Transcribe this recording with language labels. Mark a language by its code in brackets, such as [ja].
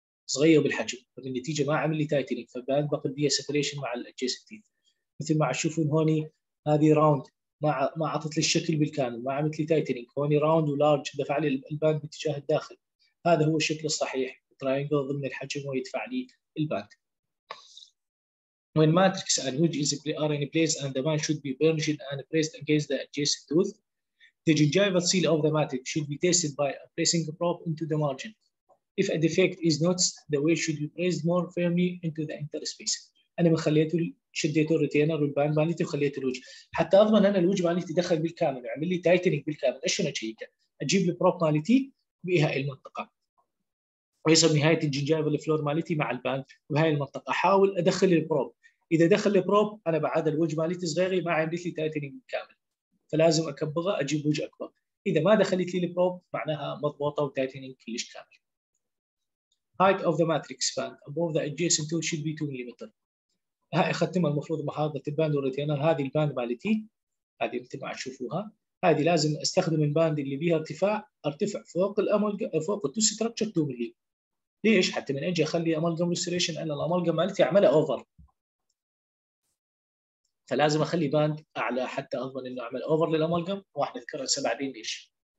[ar] صغير بالحجم، فبالنتيجه ما عمل لي تايتنينج، فبعد بقى بدي سيبريشن مع الادجيسنت تيث. مثل ما تشوفون هوني هذه راوند ما عطت لي الشكل بالكامل، ما عملت لي تايتنينج، هوني راوند ولارج دفع لي الباند باتجاه الداخل. هذا هو الشكل الصحيح، تراينجل ضمن الحجم ويدفع لي الباند. [en] When matrix and wedge are in place and the band should be burnished and pressed against the adjacent tooth, the gingival seal of the matrix should be tested by pressing a probe into the margin. If a defect is noticed, the wedge should be pressed more firmly into the interspace. [ar] أنا ما خليت شديت الريتينر والباند مالتي وخليت الوجه حتى أضمن أنا الوجه مالتي دخل بالكامل، عمل لي تايتنينج بالكامل. إيش أنا أجيك؟ أجيب البروب مالتي بها المنطقة. ويصل نهاية الجنجايفل فلور مالتي مع الباند وهي المنطقة، أحاول أدخل البروب. إذا دخل البروب أنا بعد الوجه مالتي صغيري ما عملت لي تايتنينج كامل، فلازم أكبغه أجيب وجه أكبر. إذا ما دخلت لي البروب معناها مضبوطة وتايتنينج كلش كامل. [en] Height of the matrix band above the adjacent tooth should be 2 mm. [ar] هاي ختمها المفروض محاضرة الباند والريتينر. هذه الباند مالتي، هذه مثل ما تشوفوها، هذه لازم استخدم الباند اللي بيها ارتفاع، ارتفع فوق الامالجم، فوق التو ستراكشر 2 ملي. ليش؟ حتى من اجي اخلي امالجم ريستوريشن، انا الامالجم مالتي اعملها اوفر، فلازم اخلي باند اعلى حتى اضمن انه اعمل اوفر للامالجم، وراح نذكرها هسه بعدين ليش.